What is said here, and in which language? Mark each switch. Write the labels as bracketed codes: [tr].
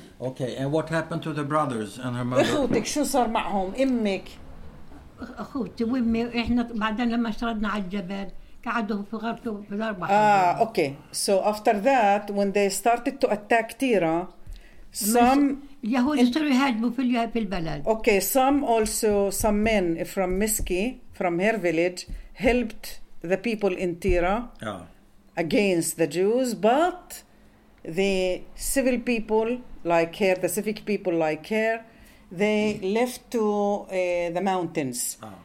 [en] Okay, and what happened to the brothers and her mother? [ar] أخوتك شو صار معهم؟ إمك أخوتي وإمي إحنا بعدين لما شردنا على الجبل قعدوا في غرفة في الأربعة. [en] Okay, so after that, when they started to attack Tira, some [ar] اليهود صاروا يهاجموا في البلد. [en] Okay, some men from Miski, from her village, helped the people in Tira against the Jews, but the civil people like her, the civic people like her, they left to the mountains.